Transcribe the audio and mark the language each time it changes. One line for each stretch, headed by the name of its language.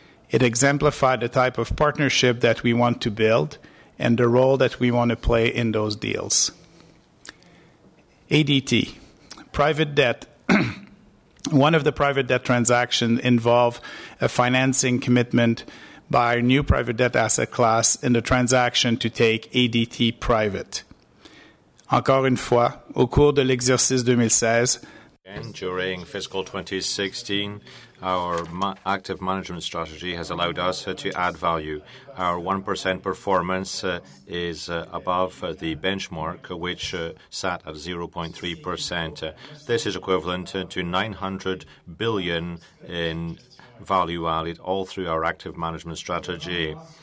English: It exemplified the type of partnership that we want to build and the role that we want to play in those deals. ADT, private debt. One of the private debt transactions involved a financing commitment by a new private debt asset class in the transaction to take ADT private.
French: Encore une fois, au cours de l'exercice 2016.
English: And during fiscal 2016, our active management strategy has allowed us to add value. Our 1% performance is above the benchmark, which sat at 0.3%. This is equivalent to 900 billion in value added all through our active management strategy.